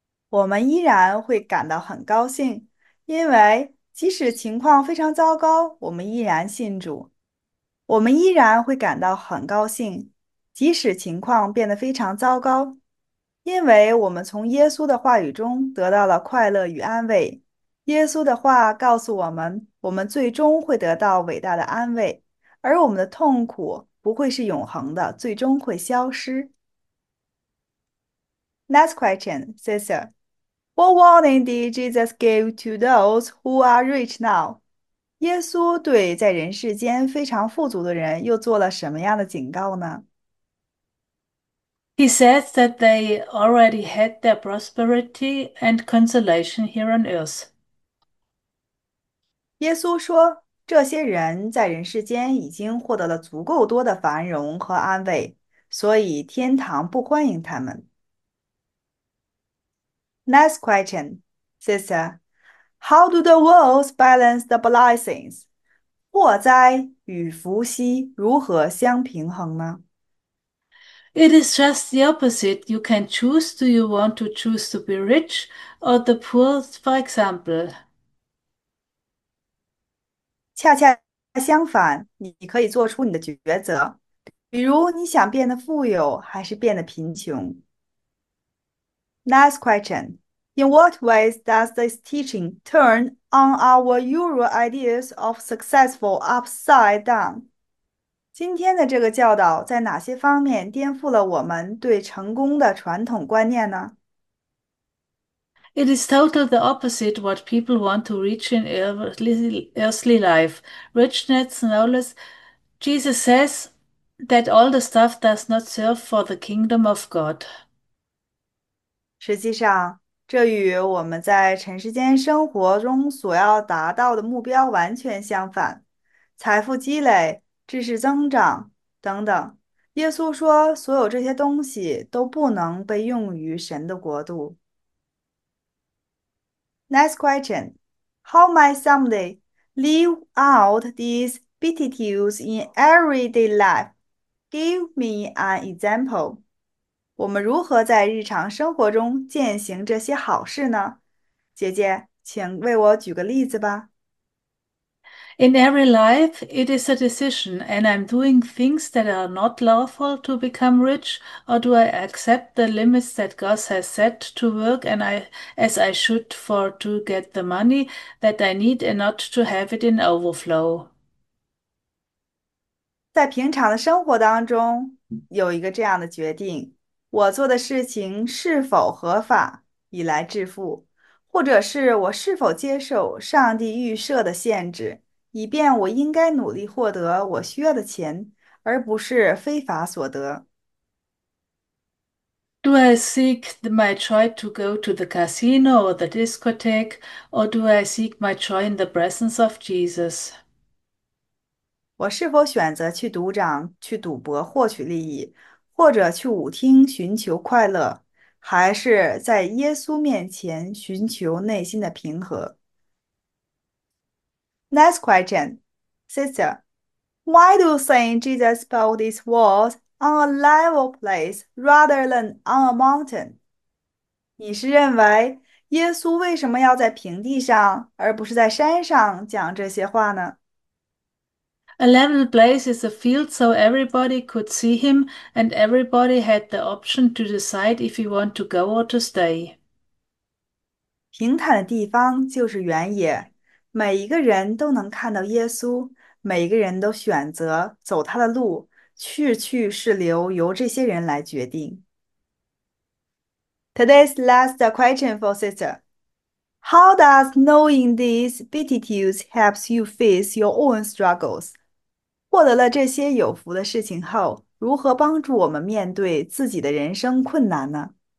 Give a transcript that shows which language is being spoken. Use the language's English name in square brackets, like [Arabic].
[Chinese] 我们依然会感到很高兴，因为即使情况非常糟糕，我们依然信主，我们依然会感到很高兴。即使情况变得非常糟糕，因为我们从耶稣的话语中得到了快乐与安慰。耶稣的话告诉我们，我们最终会得到伟大的安慰，而我们的痛苦不会是永恒的，最终会消失。 [English] Next question, sister. What warning did Jesus give to those who are rich now? [Chinese] 耶稣对在人世间非常富足的人又做了什么样的警告呢？ [English] He says that they already had their prosperity and consolation here on earth. [Chinese] 耶稣说，这些人在人世间已经获得了足够多的繁荣和安慰，所以天堂不欢迎他们。 [English] Next question, sister. How do the worlds balance the blessings? [Chinese] 祸灾与福兮如何相平衡呢？ [English] It is just the opposite. You can choose, do you want to choose to be rich or the poor, for example? [Chinese] 恰恰相反，你可以做出你的抉择，比如你想变得富有还是变得贫穷。 [English] Next question. In what ways does this teaching turn on our usual ideas of successful upside down? [Chinese] 今天的这个教导在哪些方面颠覆了我们对成功的传统观念呢？ [English] It is totally the opposite what people want to reach in earthly life. Richness, knowledge. Jesus says that all the stuff does not serve for the kingdom of God. [Chinese] 实际上，这与我们在尘世间生活中所要达到的目标完全相反。财富积累、知识增长等等，耶稣说，所有这些东西都不能被用于神的国度。 [English] Next question: How might somebody live out these beatitudes in everyday life? Give me an example. [Chinese] 我们如何在日常生活中践行这些好事呢？姐姐，请为我举个例子吧。 [English] In every life, it is a decision, and I'm doing things that are not lawful to become rich, or do I accept the limits that God has set to work and I as I should for to get the money that I need and not to have it in overflow? [Chinese] 在平常的生活当中，有一个这样的决定。我做的事情是否合法以来致富，或者是我是否接受上帝预设的限制，以便我应该努力获得我需要的钱，而不是非法所得。 [English] Do I seek my joy to go to the casino or the discotheque, or do I seek my joy in the presence of Jesus? [Chinese] 我是否选择去赌场，去赌博获取利益？或者去舞厅寻求快乐，还是在耶稣面前寻求内心的平和？ [English] Next question, sister, why do you think Jesus built these walls on a level place rather than on a mountain？ [Chinese] 你是认为耶稣为什么要在平地上，而不是在山上讲这些话呢？ [English] A level place is a field so everybody could see him and everybody had the option to decide if he want to go or to stay. [Chinese] 平坦的地方就是原野，每一个人都能看到耶稣，每一个人都选择走他的路，去是留由这些人来决定。 [English] Today's last question for sister: How does knowing these beatitudes helps you face your own struggles? [Chinese] 获得了这些有福的事情后，如何帮助我们面对自己的人生困难呢？